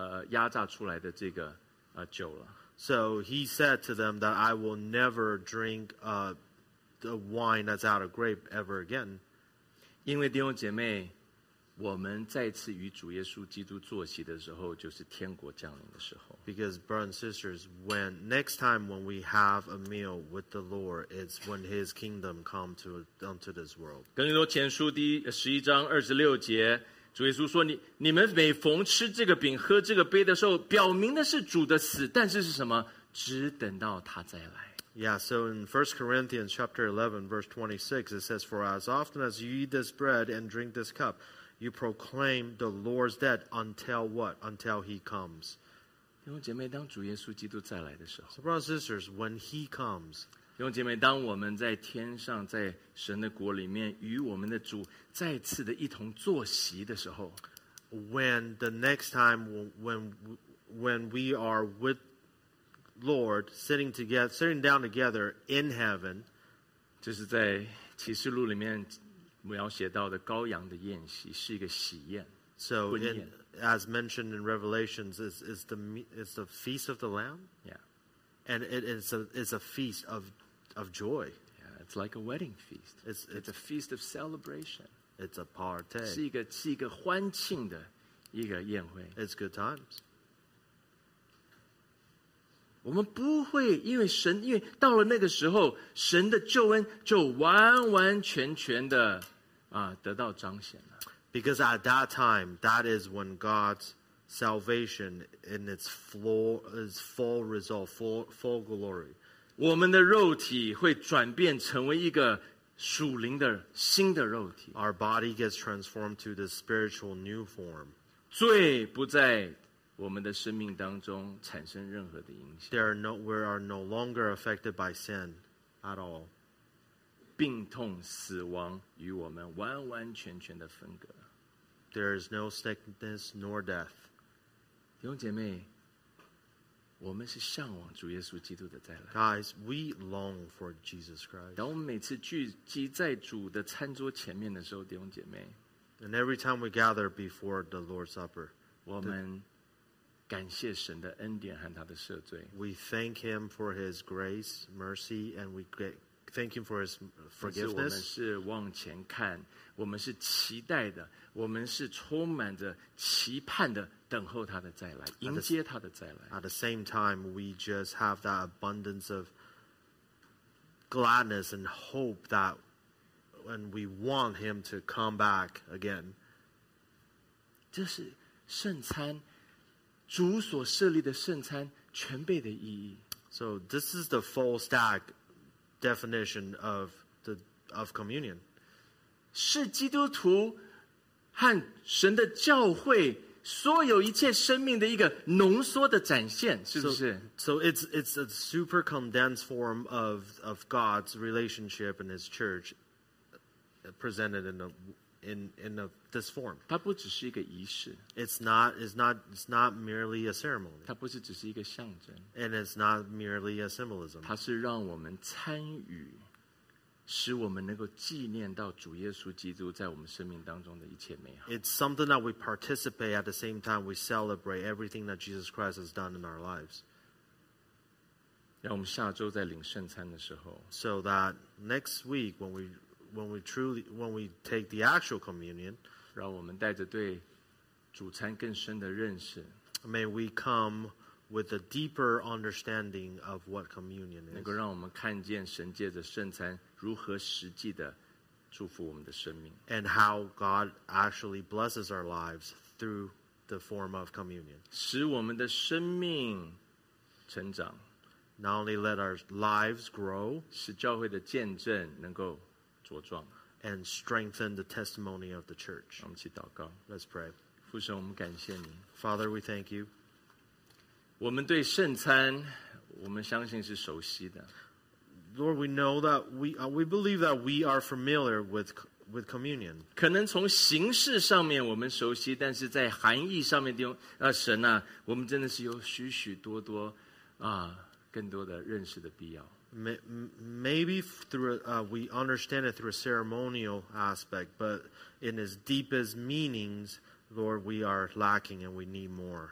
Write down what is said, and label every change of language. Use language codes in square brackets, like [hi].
[zh] 他说我从此不会再喝这个从葡萄树上面压榨出来的这个酒了。 [en] So he said to them that I will never drink the wine that's out of grape ever again. [zh] 因为弟兄姐妹, 我们再次与主耶稣基督坐席的时候，就是天国降临的时候。 [en] Because brothers and sisters, when next time when we have a meal with the Lord, it's when His kingdom comes onto this world. [zh] 更多前书第十一章二十六节，主耶稣说：“你们每逢吃这个饼、喝这个杯的时候，表明的是主的死。但是是什么？只等到他再来。” [en] Yeah, so in 1 Corinthians chapter 11, verse 26, it says, "For as often as you eat this bread and drink this cup, You proclaim the Lord's death until what? Until he comes. [zh] 弟兄姐妹，当主耶稣基督再来的时候。 [en] So brothers and sisters, when he comes. [zh] 弟兄姐妹，当我们在天上，在神的国里面，与我们的主再次的一同坐席的时候。 [en] When the next time, when we are with Lord, sitting down together in heaven. [zh] 就是在启示录里面描写到的羔羊的宴席是一个喜宴。 [en] So, as mentioned in Revelations, is the feast of the Lamb? Yeah. And it is a feast of joy. Yeah, it's like a wedding feast. It's a feast of celebration. It's a party. [zh] 是一个欢庆的一个宴会。 [en] It's good times. [zh] 我们不会因为神，因为到了那个时候，神的救恩就完完全全的得到彰显了。 [en] Because at that time, that is when God's salvation in its full result, full glory. [zh] 我们的肉体会转变成为一个属灵的新的肉体。 [en] Our body gets transformed to the spiritual new form. [zh] 罪不在我们的生命当中产生任何的影响。 [en] We are no longer affected by sin at all. [zh] 病痛死亡与我们完完全全的分隔。 [en] There is no sickness nor death. [zh] 弟兄姐妹，我们是向往主耶稣基督的再来。 [en] Guys, we long for Jesus Christ. [zh] 当我们每次聚集在主的餐桌前面的时候，弟兄姐妹。 [en] And every time we gather before the Lord's Supper, [zh] 我们感谢神的恩典和他的赦罪。 [en] We thank him for his grace, mercy, and we get. Thank you for his forgiveness. [zh] 但是我们是往前看，我们是期待的，我们是充满着期盼的，等候他的再来，迎接他的再来。 [en] At the same time, we just have that abundance of gladness and hope that when we want him to come back again. [zh] 这是圣餐，主所设立的圣餐全备的意义。 [en] So this is the full stack. Definition of communion. [zh] 是基督徒和神的教会所有一切生命的一个浓缩的展现，是不是？ [en] So it's a super condensed form of God's relationship and His church presented in this form. [zh] 它不只是一个仪式。 [en] It's not merely a ceremony. [zh] 它不是只是一个象征。 [en] And it's not merely a symbolism. [zh] 它是让我们参与，使我们能够纪念到主耶稣基督在我们生命当中的一切美好。 [en] It's something that we participate at the same time we celebrate everything that Jesus Christ has done in our lives. [zh] 让我们下周在领圣餐的时候。 [en] So that next week when we take the actual communion, [zh] 让我们带着对主餐更深的认识。 [en] May we come with a deeper understanding of what communion is. [zh] 能够让我们看见神借着圣餐如何实际的祝福我们的生命。 [en] And how God actually blesses our lives through the form of communion. [zh] 使我们的生命成长。 [en] Not only let our lives grow, [zh] 使教会的见证能够茁壮 [en] and strengthen the testimony of the church. [zh] 我们去祷告。 [en] Let's pray. [zh] 父神，我们感谢你。 [en] Father, we thank you. [zh] 我们对圣餐，我们相信是熟悉的。 [en] Lord, we know that we believe that we are familiar with communion. [zh] 可能从形式上面我们熟悉，但是在含义上面，神啊，我们真的是有许许多多更多的认识的必要。 [en] Maybe we understand it through a ceremonial aspect, but in its deepest meanings, Lord, we are lacking and we need more.